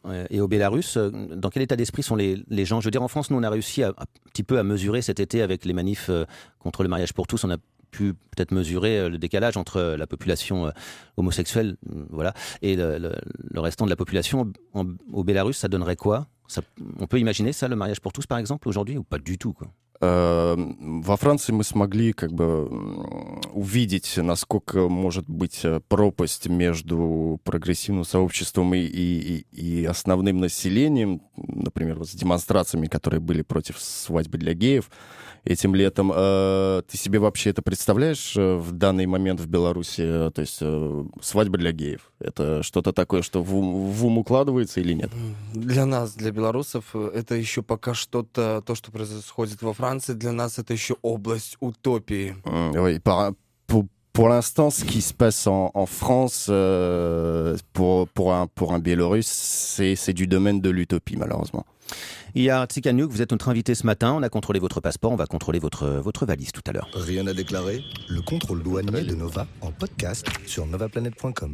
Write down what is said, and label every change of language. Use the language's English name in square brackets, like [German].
[French] Et au Bélarus, dans quel état d'esprit sont les gens? Je veux dire, en France, nous, on a réussi à, un petit peu à mesurer cet été avec les manifs contre le mariage pour tous. On a pu peut-être mesurer le décalage entre la population homosexuelle, voilà, et le restant de la population. Au Bélarus, ça donnerait quoi? On peut imaginer ça, le mariage pour tous, par exemple, aujourd'hui, ou pas du tout, quoi? [Russian] Во Франции мы смогли как бы увидеть, насколько может быть пропасть между прогрессивным сообществом и основным населением, например, вот с демонстрациями, которые были против свадьбы для геев этим летом. Ты себе вообще это представляешь в данный момент в Беларуси? То есть свадьба для геев — это что-то такое, что в ум укладывается или нет? Для нас, для белорусов, это еще пока что-то, то, что происходит во Франции, для нас это еще область утопии. [French] Oui, pour l'instant, ce qui se passe en France pour un Biélorusse, c'est du domaine de l'utopie, malheureusement. Il y a Tsikhanouk, vous êtes notre invité ce matin. On a contrôlé votre passeport, on va contrôler votre valise tout à l'heure. Rien à déclarer. Le contrôle douanier de Nova en podcast sur novaplanet.com.